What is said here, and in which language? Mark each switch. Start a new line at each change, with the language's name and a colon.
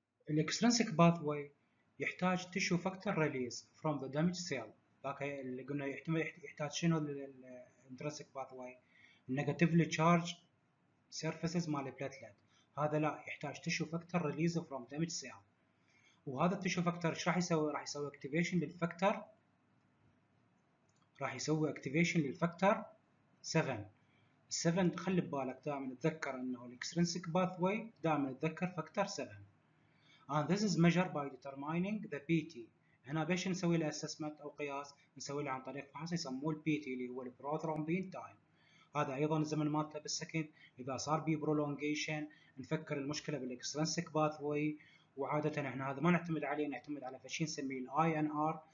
Arabic: الاكسترنسك باث واي يحتاج
English: tissue factor release from the damaged cell,
Arabic: باك اللي قلنا يحتمل يحتاج شنو الانترسك باث واي؟ نيجاتيفلي تشارج سيرفيسز مال البلاتلت، هذا لا يحتاج تشو فاكتور ريليز فروم دامج سيل. وهذا التشو فاكتور ايش راح يسوي؟ راح يسوي اكتيفيشن للفاكتور، راح يسوي اكتيفيشن للفاكتور 7. ال 7 خلي ببالك دائما تذكر انه الاكسترنسك باث واي دائما تذكر فاكتور 7.
English: And this is measured by determining the PT.
Arabic: هنا بيش نسوي له assessment أو قياس؟ نسوي له عن طريق فحص يسموه الـ PT اللي هو الـ prothrombin time. هذا أيضا الزمن مالته بالسكند. إذا صار بـ prolongation نفكر المشكلة بالـ extrinsic pathway. وعادة احنا هذا ما نعتمد عليه، نعتمد على فشي نسميه الـ INR.